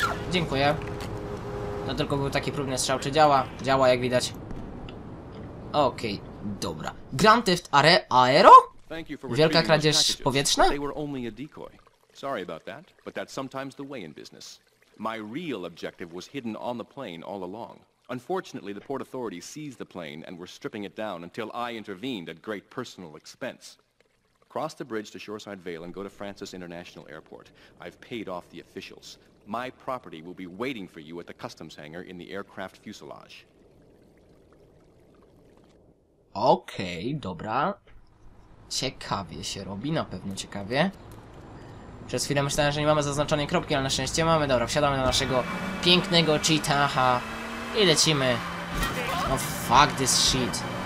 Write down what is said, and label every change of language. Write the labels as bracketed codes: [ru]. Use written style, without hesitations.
[pl] Dziękuję. No tylko był taki próbny strzał, czy działa? Działa, jak widać. Okej, dobra. Grand Theft Aero? Wielka kradzież powietrzna? [en] Sorry about that, but that's sometimes the way in business. My real objective was hidden on the plane all along. Unfortunately, the port authority seized the plane and were stripping it down until I intervened at great personal expense. Cross the bridge to Shoreside Vale and go to Francis International Airport. I've paid off the officials. My property will be waiting for you at the customs hangar in the aircraft fuselage. [pl] Okej, dobra. Ciekawie się robi, na pewno ciekawie. Przez chwilę myślałem, że nie mamy zaznaczonej kropki, ale na szczęście mamy. Dobra, wsiadamy do naszego pięknego cheetaha i lecimy [en] Oh fuck this shit.